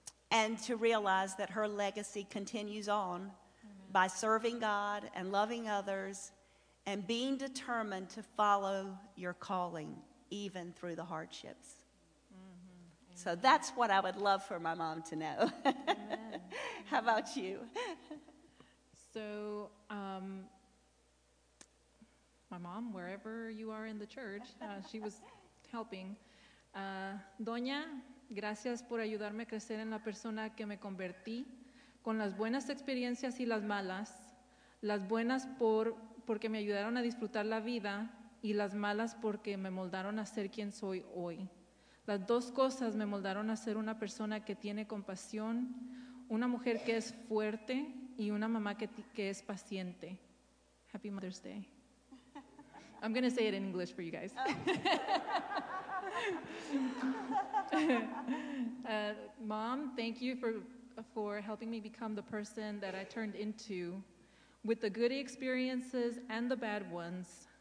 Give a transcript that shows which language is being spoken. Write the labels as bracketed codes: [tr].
[en] And to realize that her legacy continues on by serving God and loving others and being determined to follow your calling even through the hardships. So that's what I would love for my mom to know. How about you? So, my mom, wherever you are in the church, she was helping. [es] Doña, gracias por ayudarme a crecer en la persona que me convertí, con las buenas experiencias y las malas, las buenas porque me ayudaron a disfrutar la vida y las malas porque me moldaron a ser quien soy hoy. Las dos cosas me moldaron a ser una persona que tiene compasión, una mujer que es fuerte y una mamá que es paciente. [en] Happy Mother's Day. I'm going to say it in English for you guys. Mom, thank you for helping me become the person that I turned into, with the good experiences and the bad ones.